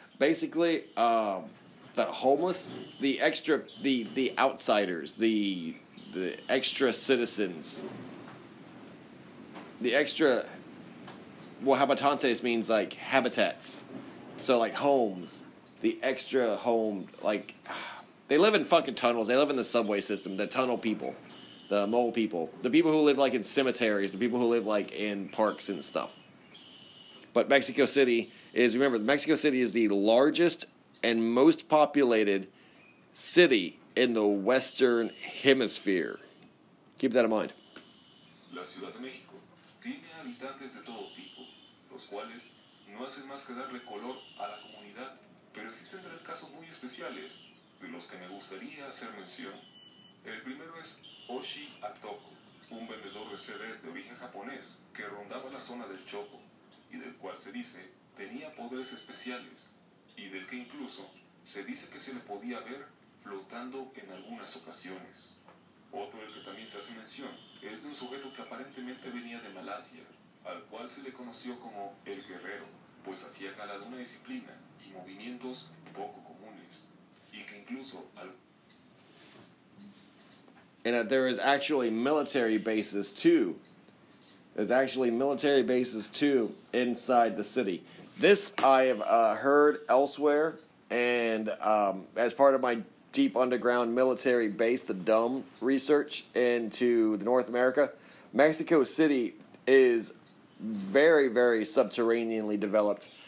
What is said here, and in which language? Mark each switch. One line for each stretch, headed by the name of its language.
English: Basically, the homeless, the extra, the outsiders, the extra citizens, the extra, well, habitantes means like habitats, so like homes, the extra home, like, they live in fucking tunnels, they live in the subway system, the tunnel people, the mole people, the people who live like in cemeteries, the people who live like in parks and stuff. But Mexico City is, remember, Mexico City is the largest and most populated city in the Western Hemisphere. Keep that in mind.
Spanish: La Ciudad de México tiene habitantes de todo tipo, los cuales no hacen más que darle color a la comunidad, pero existen tres casos muy especiales de los que me gustaría hacer mención. El primero es Oshi Atoko, un vendedor de CDs de origen japonés que rondaba la zona del Chopo y del cual se dice tenía poderes especiales, y del que incluso se dice que se le podía ver flotando en algunas ocasiones. Otro del que también se hace mención es de un sujeto que aparentemente venía de Malasia, al cual se le conoció como el guerrero, pues hacía gala de una disciplina y movimientos poco comunes, y que incluso al...
English: And that there is actually military bases too. There's actually military bases too inside the city. This I have heard elsewhere, and as part of my deep underground military base, the DUM research into the North America, Mexico City is very, very subterraneanly developed.